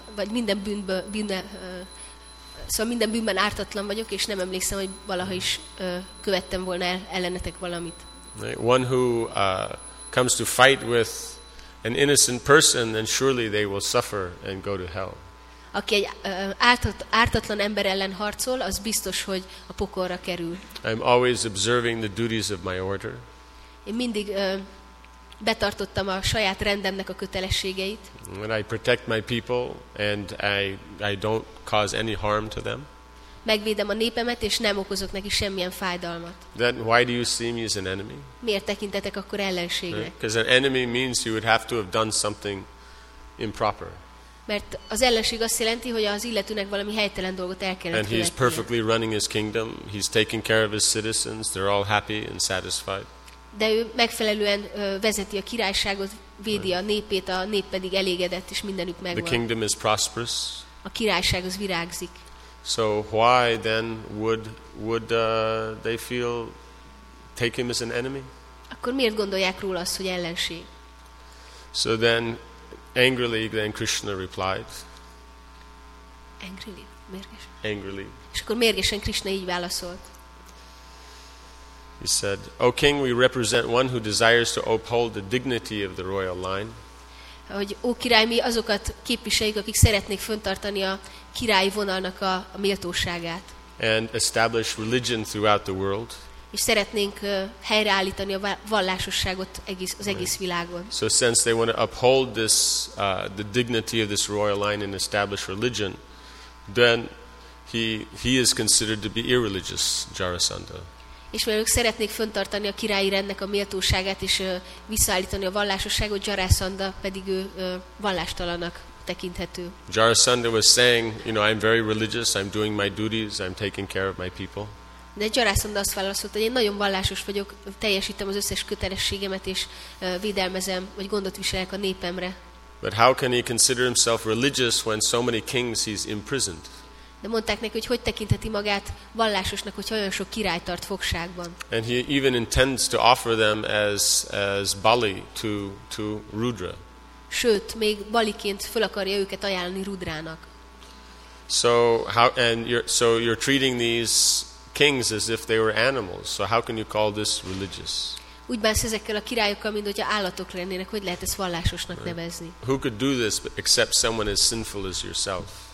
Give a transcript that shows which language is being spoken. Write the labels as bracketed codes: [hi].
[hu] Minden bűnben ártatlan vagyok, és nem emlékszem, hogy valaha is követtem volna ellenetek valamit. [en] Right? One who comes to fight with an innocent person, then surely they will suffer and go to hell. [hu] Aki egy ártatlan ember ellen harcol, az biztos, hogy a pokolra kerül. [en] I'm always observing the duties of my order. [hu] Én mindig betartottam a saját rendemnek a kötelességeit. [en] And I protect my people and I don't cause any harm to them. [hu] Megvédem a népemet és nem okozok neki semmilyen fájdalmat. [en] Then why do you see me as an enemy? [hu] Miért tekintetek akkor ellenségnek? [en] Because an enemy means you would have to have done something improper. [hu] Mert az ellenség azt jelenti, hogy az illetőnek valami helytelen dolgot el kellett követnie. [en] And he's perfectly running his kingdom. He's taking care of his citizens. They're all happy and satisfied. [hu] De ő megfelelően vezeti a királyságot, védi a népét, a nép pedig elégedett, és mindenük megvan. [en] The kingdom is prosperous. [hu] A királyság az virágzik. [en] So why then would they feel take him as an enemy? [hu] Akkor miért gondolják róla azt, hogy ellenség? [en] So then angrily then Krishna replied. Angrily, [hu] mérgesen. [en] Angrily. [hu] És akkor mérgesen Krishna így válaszolt. [en] He said, O king, we represent one who desires to uphold the dignity of the royal line. [hu] Hogy ó király, mi azokat képviseljük, akik szeretnék fönntartani a királyi vonalnak a méltóságát. [en] And establish religion throughout the world. [hu] És szeretnénk helyreállítani a vallásosságot egész világon. [en] So since they want to uphold this the dignity of this royal line and establish religion, then he is considered to be irreligious, Jarasandha. [hu] És mert ők szeretnék fönntartani a királyi rendnek a méltóságát, és visszaállítani a vallásosságot, Jarasandha pedig ő vallástalannak tekinthető. [en] Jarasandha was saying, you know, I'm very religious, I'm doing my duties, I'm taking care of my people. [hu] De Jarasandha azt válaszolta, hogy én nagyon vallásos vagyok, teljesítem az összes kötelességemet, és védelmezem, vagy gondot viselek a népemre. [en] But how can he consider himself religious when so many kings he's imprisoned? [hu] De mondták neki, hogy hogy tekintheti magát vallásosnak, hogyha olyan sok király tart fogságban. [en] And he even intends to offer them as Bali to Rudra. [hu] Sőt, még Baliként föl akarja őket ajánlani Rudrának. [en] So you're treating these kings as if they were animals. So how can you call this religious? [hu] Úgy bánsz ezekkel a királyokkal, mint hogyha állatok lennének, hogy lehet ezt vallásosnak right. nevezni? [en] Who could do this except someone as sinful as yourself?